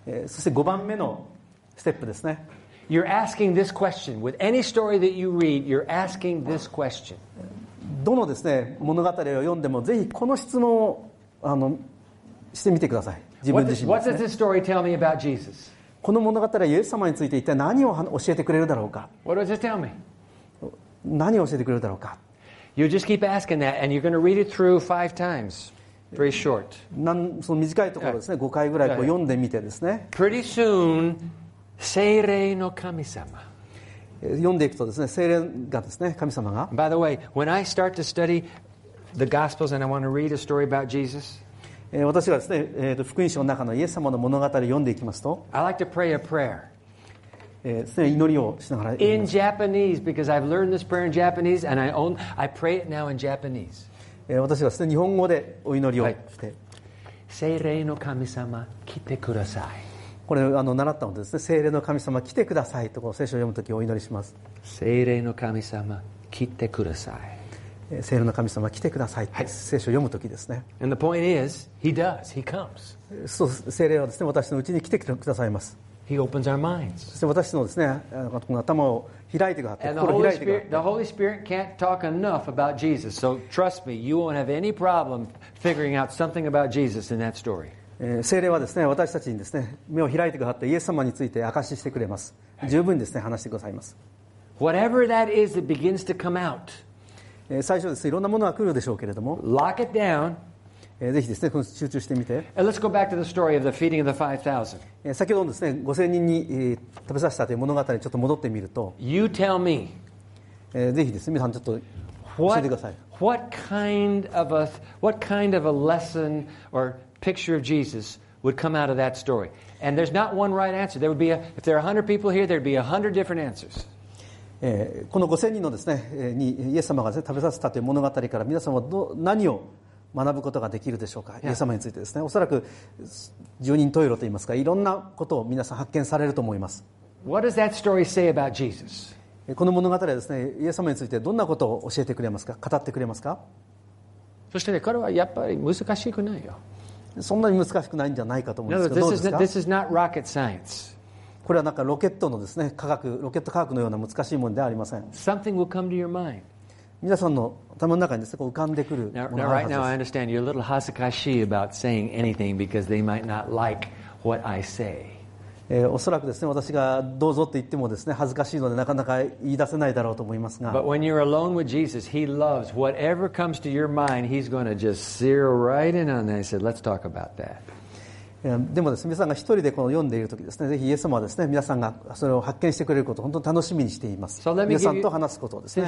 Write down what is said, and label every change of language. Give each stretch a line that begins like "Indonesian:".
Japanese: そして5番目のステップですね。
English: You're asking this question. With any story that you read, you're asking this question.
Japanese: どのですね、物語を読んでも、ぜひこの質問をしてみてください。自分自身です
English: ね。What does this story tell me about Jesus?
Japanese: この物語はイエス様について一体何を教えてくれるだろうか。
English: What does it tell me?
Japanese: 何を教えてくれるだろうか。
English: You just keep asking that, and you're going to read it through five times, very short.
Japanese: その短いところですね、5回ぐらいこう読んでみてですね。
English: Pretty soon,
Japanese: 聖霊の神様。読んでいくとですね、聖霊がですね、神様が。
English: By the way, when I start to study the Gospels and I want to read a story about Jesus,
Japanese: 私がですね、福音書の中のイエス様の物語を読んでいきますと、
English: I like to pray a prayer.
Japanese: 祈りをしながら
English: in Japanese, because I've learned this prayer in Japanese, and I pray it now in Japanese.
Japanese: 私はですね、日本語でお祈りをして。聖霊の神様来てください。これ習ったのですね、聖霊の神様来てくださいと、この聖書を読むときお祈りします。聖霊の神様来てください、聖霊の神様来てくださいって聖書を読むときですね。
English: And the point is, he does, he comes.
Japanese: そう、聖霊はですね、私のうちに来てくださいます。
English: He opens our minds.
Japanese: そして私のですね、この頭を開いてくださって、心を開いてくださって。
English: The Holy Spirit can't talk enough about Jesus. So trust me, you won't have any problem figuring out something about Jesus in that story.
Japanese: 聖霊はですね、私たちにですね、目を開いてくださって、イエス様について証ししてくれます。十分にですね、話してくださいます。
English: Whatever that is that begins to come out.
Japanese: 最初ですね、いろんなものが来るでしょうけれども。
English: Lock it down.
Japanese: ぜひですね、集中してみて。
English: Let's go back to the story of the feeding of the 5,000.
Japanese: 先ほどですね、5000人に食べさせたという物語にちょっと戻ってみると。
English: You tell me.
Japanese: ぜひですね、皆さんちょっと教えてください。
English: What kind of a lesson or picture of Jesus would come out of that story? And there's not one right answer. There would be a, if there are 100 people here, there'd be 100 different answers.
Japanese: この5000人のですね、にイエス様が、ね、食べさせたという物語から皆様は何を学ぶことができるでしょうか、イエス様についてですね。おそらく十人十色といいますか、いろんなことを皆さん発見されると思います。
English: What does that story say about Jesus?
Japanese: この物語はですね、イエス様についてどんなことを教えてくれますか、語ってくれますか。そしてね、これはやっぱり難しくないよ。そんなに難しくないんじゃないかと思うんですけど、どうですか。
English: This is not rocket science.
Japanese: これはなんかロケットのですね、科学、ロケット科学のような難しいものではありません。
English: Something will come to your mind.
Japanese: 皆さんの頭の中にですね、こう浮かんでくるものがあるはずです。
English: Right now I understand you're a little
Japanese: 恥ずかしい
English: about saying anything because they might not like what I say.
Japanese: おそらくですね、私がどうぞって言ってもですね、恥ずかしいのでなかなか言い出せないだろうと思いますが。
English: But when you're alone with Jesus, he loves whatever comes to your mind, he's going to just zero right in on that. He said, let's talk about that.
Japanese: でもですね、皆さんが一人でこの読んでいるときですね、ぜひイエス様はですね、皆さんがそれを発見してくれることを本当に楽しみにしています。皆さんと話すことですね。